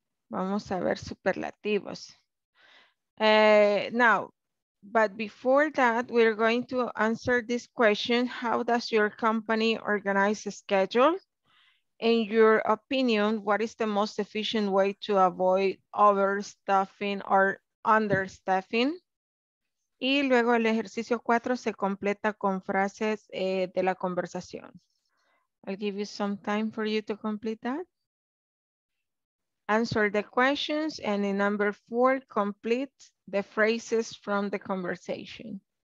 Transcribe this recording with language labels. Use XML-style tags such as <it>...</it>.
<es>Vamos a ver superlativos.</es> <en>Now, but before that, we're going to answer this question. How does your company organize a schedule? In your opinion, what is the most efficient way to avoid overstaffing or understaffing?</en> <es>Y luego el ejercicio 4 se completa con frases de la conversación.</es> <en>I'll give you some time for you to complete that. Answer the questions, and in number 4, complete the phrases from the conversation.</en>